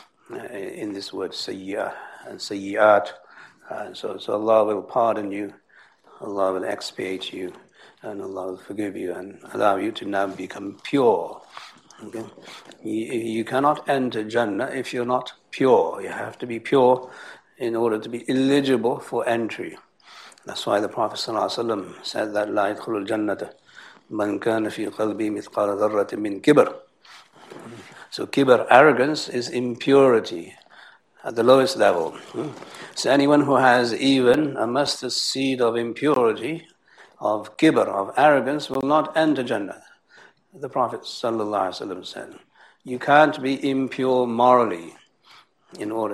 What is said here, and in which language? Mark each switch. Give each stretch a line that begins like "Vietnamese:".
English: in this word sayyi'ah and sayyi'at. So Allah will pardon you, Allah will expiate you, and Allah will forgive you and allow you to now become pure. Okay? You cannot enter Jannah if you're not pure. You have to be pure in order to be eligible for entry. That's why the Prophet ﷺ said that
Arabic: لا يدخل الجنة من كان في قلبي مثقال ذرة من كبر.
English: So kibr, arrogance, is impurity at the lowest level. So anyone who has even a mustard seed of impurity, of kibr, of arrogance, will not enter Jannah. The Prophet ﷺ said, you can't be impure morally in order.